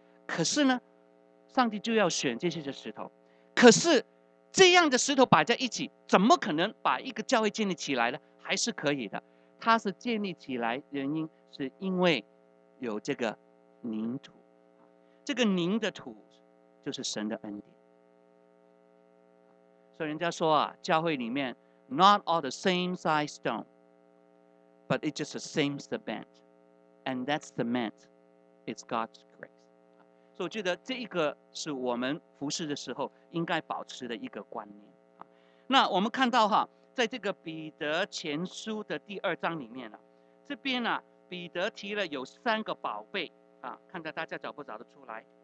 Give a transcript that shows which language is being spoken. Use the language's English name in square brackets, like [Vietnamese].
[Chinese] 可是呢，上帝就要选这些的石头。可是这样的石头摆在一起，怎么可能把一个教会建立起来呢？还是可以的。它是建立起来，原因是因为有这个凝土，这个凝的土就是神的恩典。所以人家说啊，教会里面 [English] not all the same size stone, but it's just the same cement, and that cement is God's grace. [Chinese] 所以我觉得这一个是我们服事的时候应该保持的一个观念。那我们看到哈，在这个彼得前书的第二章里面呢，这边呢，彼得提了有三个宝贝啊，看看大家找不找得出来。